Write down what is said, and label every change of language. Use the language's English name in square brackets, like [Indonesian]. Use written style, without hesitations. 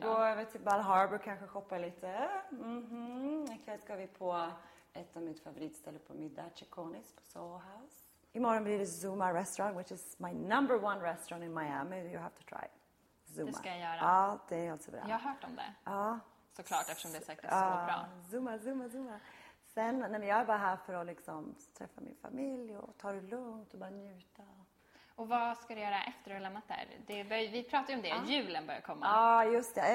[Swedish] Gå över till Bal Harbour, kanske shoppa lite. Okay, ska vi på ett av mitt favoritställe på middag. Chaconis på Soho House. Imorgon blir det Zuma restaurant, [English] which is my number one restaurant in Miami. You have to try it. Zuma. [Swedish] Det ska jag göra. Ja, det är alltså bra. Jag har hört om det. Ja. Såklart, eftersom det är säkert så bra. Zuma. Sen, när jag är bara här för att liksom träffa min familj och ta det lugnt och bara njuta. Och vad ska du göra efter att ha lämnat där? Vi pratade ju om det, julen börjar komma. Ja, just det.